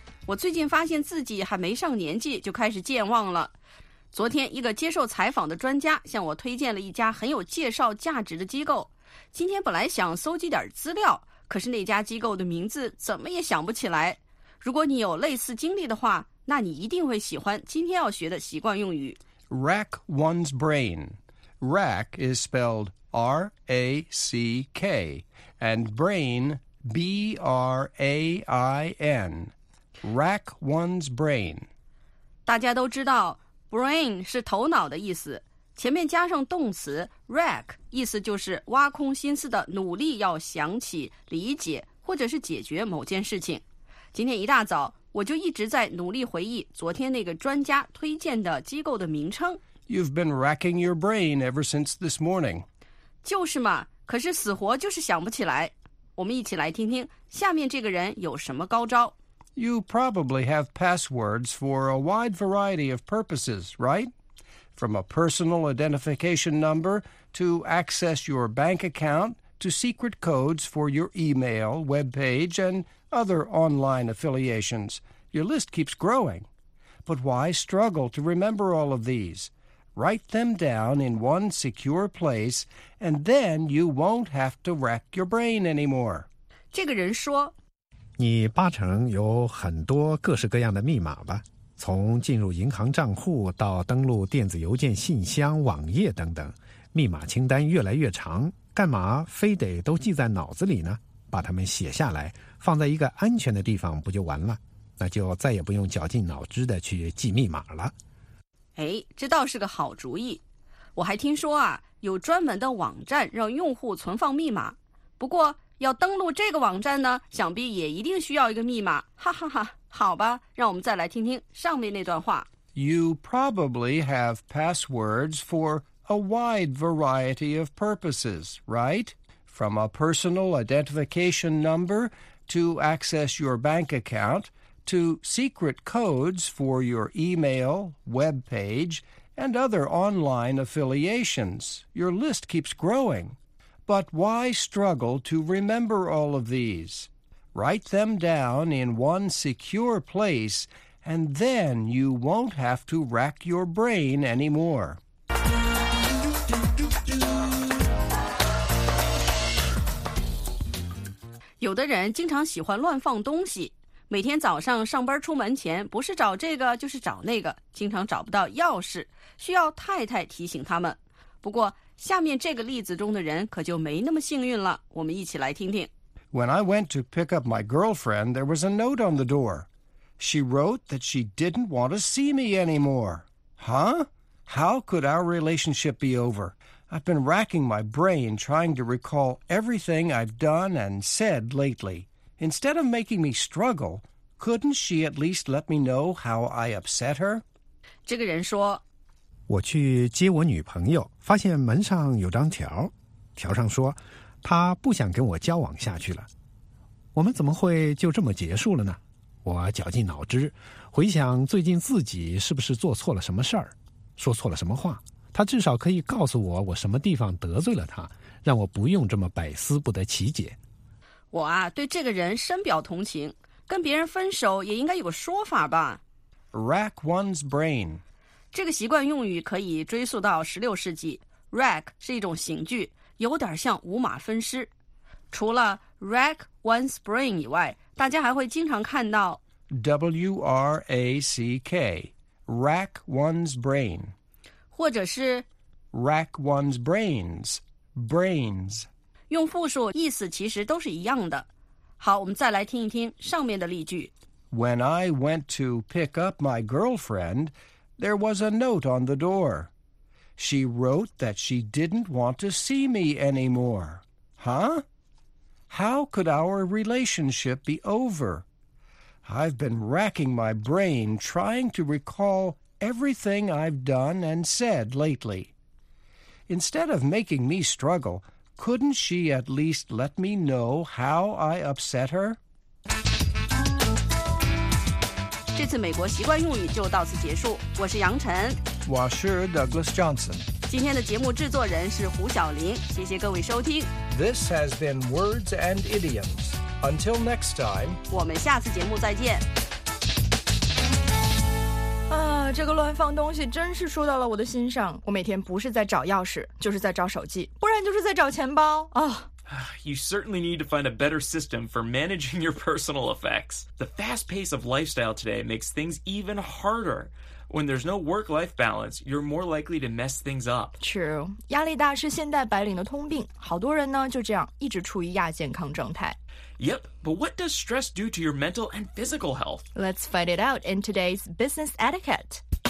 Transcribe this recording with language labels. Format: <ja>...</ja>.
<zh>我最近发现自己还没上年纪就开始健忘了昨天一个接受采访的专家向我推荐了一家很有介绍价值的机构今天本来想搜集点资料可是那家机构的名字怎么也想不起来如果你有类似经历的话，那你一定会喜欢今天要学的习惯用语。</zh> <en>Rack one's brain. Rack is spelled R-A-C-K, and brain, B-R-A-I-N. Rack one's brain.</en> <zh>大家都知道， Brain 是头脑的意思，前面加上动词 rack， 意思就是挖空心思的努力要想起、理解或者是解决某件事情。今天一大早我就一直在努力回忆昨天那个专家推荐的机构的名称。</zh> <en>You've been racking your brain ever since this morning.</en> <zh>就是嘛，可是死活就是想不起来。我们一起来听听下面这个人有什么高招。</zh> <en>You probably have passwords for a wide variety of purposes, right? From a personal identification number to access your bank account to secret codes for your email, web page, and other online affiliations. Your list keeps growing. But why struggle to remember all of these? Write them down in one secure place, and then you won't have to rack your brain anymore.</en> <zh>这个人说，你八成有很多各式各样的密码吧，从进入银行账户到登录电子邮件信箱、网页等等，密码清单越来越长，干嘛非得都记在脑子里呢？把它们写下来，放在一个安全的地方不就完了？那就再也不用绞尽脑汁的去记密码了。哎，这倒是个好主意。我还听说啊，有专门的网站让用户存放密码，不过要登录这个网站呢，想必也一定需要一个密码，哈哈哈。好吧，让我们再来听听上面那段话。</zh> <en>You probably have passwords for a wide variety of purposes, right? From a personal identification number to access your bank account to secret codes for your email, web page, and other online affiliations. Your list keeps growing. But why struggle to remember all of these? Write them down in one secure place, and then you won't have to rack your brain anymore.</en> <zh>有的人经常喜欢乱放东西，每天早上上班出门前，不是找这个就是找那个，经常找不到钥匙，需要太太提醒他们。不过下面这个例子中的人可就没那么幸运了，我们一起来听听。</zh> <en>When I went to pick up my girlfriend, there was a note on the door. She wrote that she didn't want to see me anymore. Huh? How could our relationship be over? I've been racking my brain trying to recall everything I've done and said lately. Instead of making me struggle, couldn't she at least let me know how I upset her?</en> <zh>这个人说，我去接我女朋友，发现门上有张条，条上说她不想跟我交往下去了。我们怎么会就这么结束了呢？我绞尽脑汁回想最近自己是不是做错了什么事儿，说错了什么话，她至少可以告诉我我什么地方得罪了她，让我不用这么百思不得其解。我啊，对这个人深表同情，跟别人分手也应该有个说法吧。</zh> <en>Rack one's brain，</en> <zh>这个习惯用语可以追溯到16世纪。rack 是一种刑具，有点像五马分尸。除了</zh> <en>rack one's brain</en> <zh>以外，大家还会经常看到</zh> <en>W-R-A-C-K rack one's brain，</en> <zh>或者是</zh> <en>rack one's brains brains，</en> <zh>用复数意思其实都是一样的。好，我们再来听一听上面的例句。</zh> <en>When I went to pick up my girlfriendThere was a note on the door. She wrote that she didn't want to see me anymore. Huh? How could our relationship be over? I've been racking my brain trying to recall everything I've done and said lately. Instead of making me struggle, couldn't she at least let me know how I upset her?</en> <zh>这次美国习惯用语就到此结束，我是杨晨，我是 Douglas Johnson，今天的节目制作人是胡晓玲，谢谢各位收听。</zh> <en>This has been Words and Idioms. Until next time，</en> <zh>我们下次节目再见。啊，这个乱放东西真是说到了我的心上，我每天不是在找钥匙就是在找手机，不然就是在找钱包啊。</zh> <en>You certainly need to find a better system for managing your personal effects. The fast pace of lifestyle today makes things even harder. When there's no work-life balance, you're more likely to mess things up. True.</en> <zh>压力大是现代白领的通病，好多人呢就这样一直处于亚健康状态。</zh> <en>Yep, but what does stress do to your mental and physical health? Let's find it out in today's business etiquette.</en>